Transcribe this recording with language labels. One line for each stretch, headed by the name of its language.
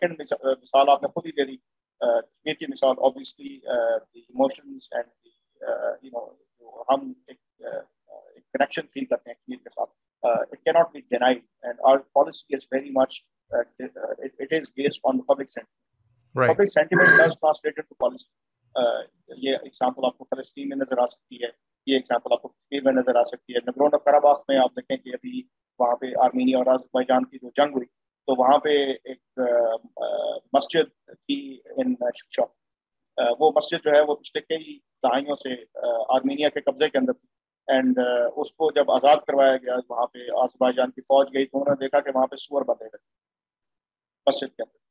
Hindi: Second मिसाल आपने खुद ही दे दी, कश्मीर की मिसाल,
English: obviously the emotions and you know
Hindi: जो हम एक कनेक्शन फील करते हैं कश्मीर के साथ,
English: it cannot be denied, and our policy is very much it is based on the public sentiment. Right. Public sentiment does translate into policy.
Hindi: ये example आपको फिलिस्तीन में नजर आ सकती है, ये example आपको कश्मीर में नजर आ सकती है। नगरों कराबाख में आप देखें कि अभी वहाँ पे आर्मेनिया और अज़रबैजान की जो जंग हुई, तो वहाँ पे एक मस्जिद थी इन शिक्षा, वो मस्जिद जो है वो पिछले कई दहाइयों से आर्मेनिया के कब्जे के अंदर थी, एंड उसको जब आज़ाद करवाया गया, वहाँ पे अज़रबैजान की फौज गई तो उन्होंने देखा कि वहाँ पे सुअर बंधे गए मस्जिद के अंदर।